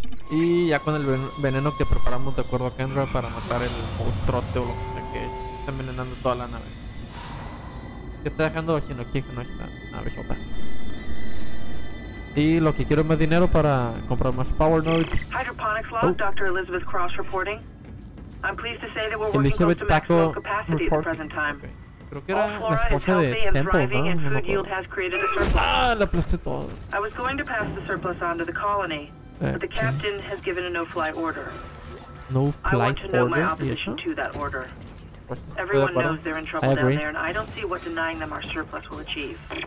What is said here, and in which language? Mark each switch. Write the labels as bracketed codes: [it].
[es] Y ya con el veneno que preparamos de acuerdo a Kendra para matar el monstruote o lo que es. Está envenenando toda la nave. ¿Qué está dejando sin oxígeno esta nave sota? Y lo que quiero es más dinero para comprar más power nodes. [en] Hydroponics log, oh. Dr. Elizabeth Cross reporting. I'm pleased to say that we're working close to maximum capacity at the present time. [es] Creo que era la esposa de Temple, ¿no? No me acuerdo. Ah, le aplasté todo. [en] I was going to pass the surplus on to the colony. But the captain has given a no-fly order. No-fly order? I want to know my opposition to that order. Everyone knows they're in trouble down there, and I don't see what denying them our surplus will achieve.